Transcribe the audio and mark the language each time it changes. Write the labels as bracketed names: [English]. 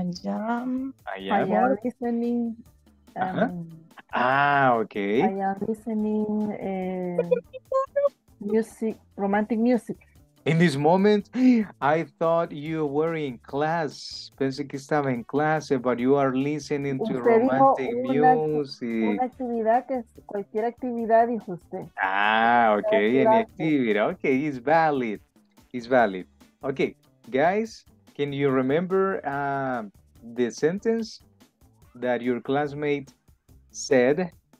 [English] I am listening. Uh-huh. Okay. I am listening music, romantic music. In this moment, I thought you were in class. [Spanish] Pensé que estaba en clase, [English] but you are listening to romantic music. [Spanish] Una actividad que es cualquier actividad, dijo usted. [English] Okay, any activity. Okay, it's valid. Okay, guys, can you remember the sentence that your classmate said?